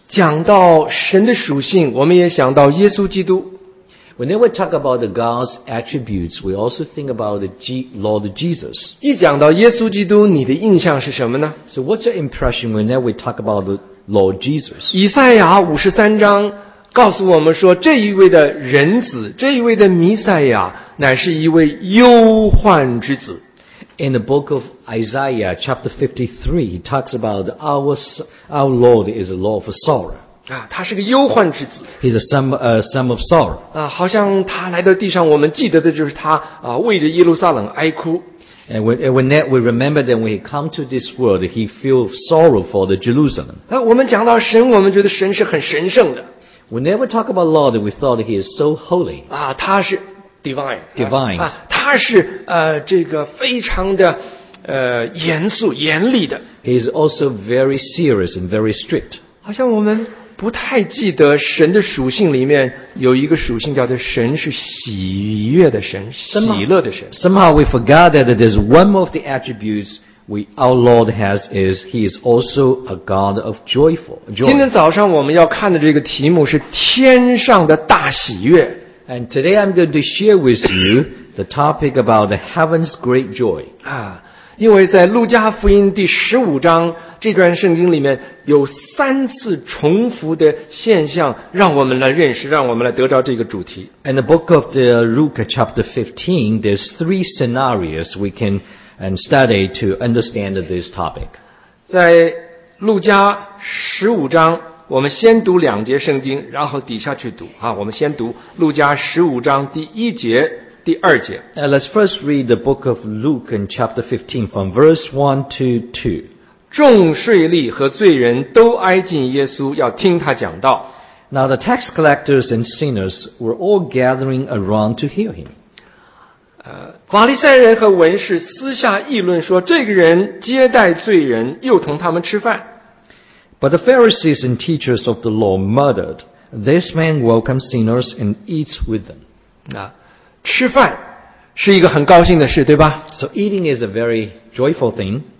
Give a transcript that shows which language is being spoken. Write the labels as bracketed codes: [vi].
[zh] 讲到神的属性，我们也想到耶稣基督。 [en] Whenever we talk about the God's attributes, we also think about the Lord Jesus. [zh] 一讲到耶稣基督，你的印象是什么呢？ [en] So what's your impression whenever we talk about the Lord Jesus? [zh] 以赛亚53章告诉我们说，这一位的人子，这一位的弥赛亚，乃是一位忧患之子。 [en] In the book of Isaiah, chapter 53, he talks about our Lord is a Lord of sorrow. [zh] 他是个忧患之子。 [en] He's a son of sorrow. [zh] 好像他来到地上，我们记得的就是他为着耶路撒冷哀哭。 [en] And when we remember that when he come to this world, he feel sorrow for the Jerusalem. [zh] 我们讲到神，我们觉得神是很神圣的。 [en] Whenever talk about Lord, we thought he is so holy. [zh] 他是 divine. [en] Divine. [zh] 他是这个非常的严肃严厉的。 [en] He is also very serious and very strict. [zh] 好像我们不太记得神的属性里面有一个属性叫做神是喜悦的神，喜乐的神。 [en] Somehow we forgot that there's one of the attributes our Lord has is He is also a God of joyful. [zh] 今天早上我们要看的这个题目是天上的大喜悦。 [en] And today I'm going to share with you the topic about the heaven's great joy. [zh] 啊，因为在路加福音第十五章这段圣经里面有三次重复的现象，让我们来认识，让我们来得着这个主题。 [en] In the book of the Luke chapter 15, there's three scenarios we can study to understand this topic. [zh] 在路加十五章，我们先读两节圣经，然后底下去读啊。我们先读路加十五章第一节、第二节。 [en] Let's first read the book of Luke in chapter 15 from verse 1 to 2. [zh] 众税吏和罪人都挨近耶稣，要听他讲道。 [en] Now the tax collectors and sinners were all gathering around to hear him. [zh] 法利赛人和文士私下议论说，这个人接待罪人，又同他们吃饭。 [en] But the Pharisees and teachers of the law muttered, "This man welcomes sinners and eats with them." [zh] 吃饭是一个很高兴的事，对吧 [en] ？So eating is a very joyful thing.